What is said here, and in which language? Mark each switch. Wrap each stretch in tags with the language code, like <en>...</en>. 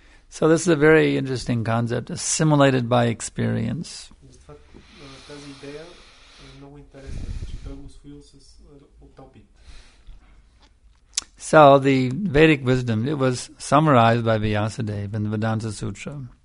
<en>So this is a very interesting concept, assimilated by experience.</en> <bg>Тази идея е много интересна, че той го усвоил с опит.</bg> <en>So the Vedic wisdom, it was summarized by Vyasadeva in the Vedanta Sutra.</en>